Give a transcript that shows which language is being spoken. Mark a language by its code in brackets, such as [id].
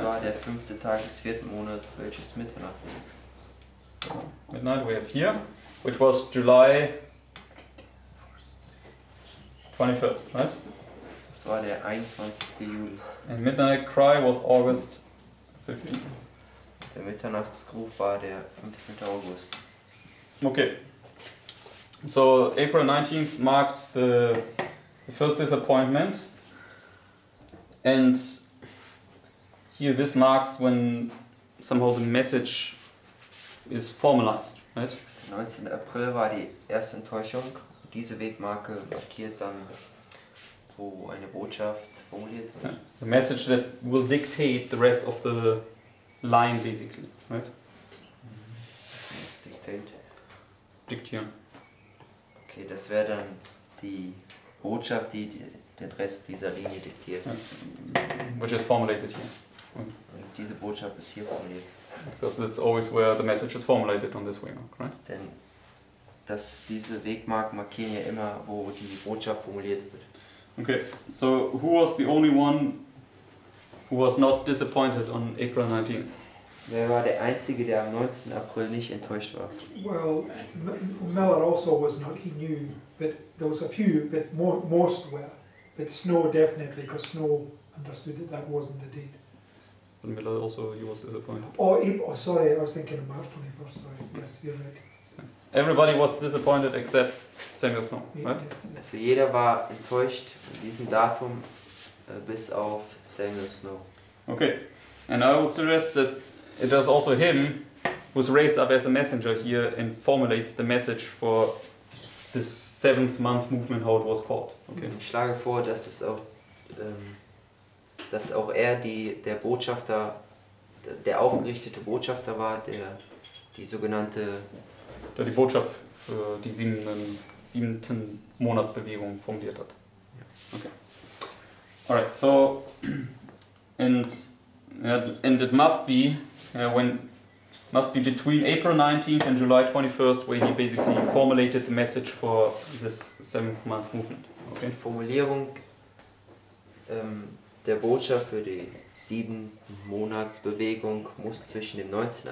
[de] Das war der fünfte Tag des vierten Monats, welches Mitternacht ist. [en] So, midnight we have here, which was July 21st, right? [de] Das war der 21. Juli. [en] And midnight cry was August 15th. [de] Der Mitternachtsruf war der 15. August. [en] Okay, so April 19th marked the first disappointment, and here this marks when somehow the message is formalized, right? [de] 19. April war die erste Enttäuschung. Diese Wegmarke markiert dann, wo eine Botschaft formuliert wird. [en] Yeah. The message that will dictate the rest of the line, basically, right? Mm-hmm. Let's dictate. [de] Diktieren. Okay, das wäre dann die Botschaft, die den Rest dieser Linie diktiert. [en] Yes. Which is formulated here. [de] Und diese Botschaft ist hier formuliert. [en] Because that's always where the message is formulated on this waymark, right? [de] Denn dass diese Wegmarken markieren ja immer, wo die Botschaft formuliert wird. [en] Okay, so who was the only one who was not disappointed on April 19th? [de] Wer war der Einzige, der am 19. April nicht enttäuscht war? [en] Well, Miller also was not, he knew, but there was a few, but most were. But Snow definitely, because Snow understood that that wasn't the date. But Miller also, he was disappointed. Sorry, I was thinking of March 21st, sorry. Yes, you're right. Everybody was disappointed except Samuel Snow, right? [de] Also jeder war enttäuscht in diesem Datum, bis auf Samuel Snow. [en] Okay, and I would suggest that it was also him was raised up as a messenger here and formulates the message for this seventh month movement, how it was called. Okay. [de] Ich schlage vor, dass es auch dass auch er die der Botschafter der aufgerichtete Botschafter war, der die sogenannte der die Botschaft für die siebten Monatsbewegung formuliert hat. [en] Okay. Alright, so and it must be must be between April 19th and July 21st, where he basically formulated the message for this seventh month movement. Okay. [de] Die Formulierung der Botschaft für die sieben Monatsbewegung muss zwischen dem 19.